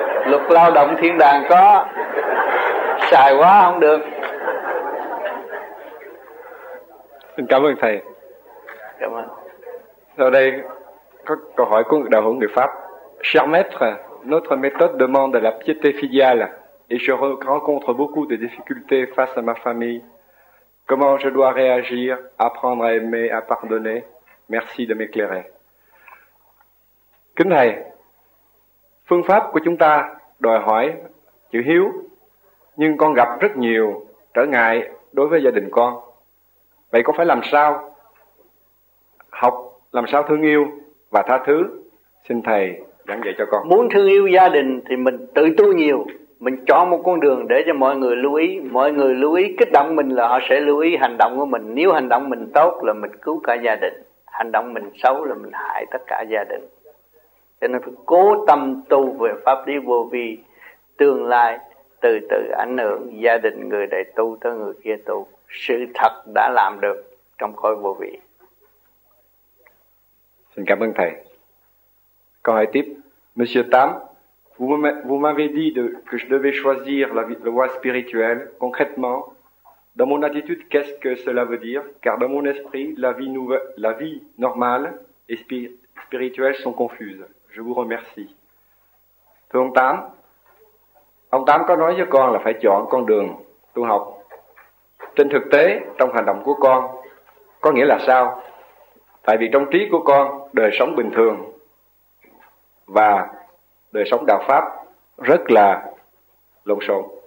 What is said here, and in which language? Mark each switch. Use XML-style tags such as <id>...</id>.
<vi>Luật lao động thiên đàng có, xài quá không được. Cảm ơn thầy. Cảm ơn. Sau đây có câu hỏi của đạo hữu người Pháp.</vi> <fr>Cher maître, notre méthode demande la piété filiale et je rencontre beaucoup de difficultés face à ma famille. Comment je dois réagir, apprendre à aimer, à pardonner? Merci de m'éclairer.</fr> <vi>Kính thầy, phương pháp của chúng ta đòi hỏi chữ hiếu, nhưng con gặp rất nhiều trở ngại đối với gia đình con. Vậy con phải làm sao? Học làm sao thương yêu và tha thứ? Xin thầy giảng dạy cho con. Muốn thương yêu gia đình thì mình tự tu nhiều. Mình chọn một con đường để cho mọi người lưu ý. Mọi người lưu ý kích động mình là họ sẽ lưu ý hành động của mình. Nếu hành động mình tốt là mình cứu cả gia đình, hành động mình xấu là mình hại tất cả gia đình. Cho nên phải cố tâm tu về pháp lý vô vi. Tương lai từ từ ảnh hưởng gia đình người này tu tới người kia tu. Sự thật đã làm được trong khối vô vi. Xin cảm ơn thầy. Câu hỏi tiếp.</vi> <fr>Monsieur Tam, vous m'avez dit que je devais choisir la voie spirituelle. Concrètement, dans mon attitude, qu'est-ce que cela veut dire? Car dans mon esprit, la vie normale et spirituelle sont confuses. Je vous remercie.</fr> <vi>Thưa ông Tám, ông Tám có nói cho con là phải chọn con đường tu học. Trên thực tế, trong hành động của con, có nghĩa là sao? Tại vì trong trí của con, đời sống bình thường và đời sống đạo pháp rất là lộn xộn.</vi>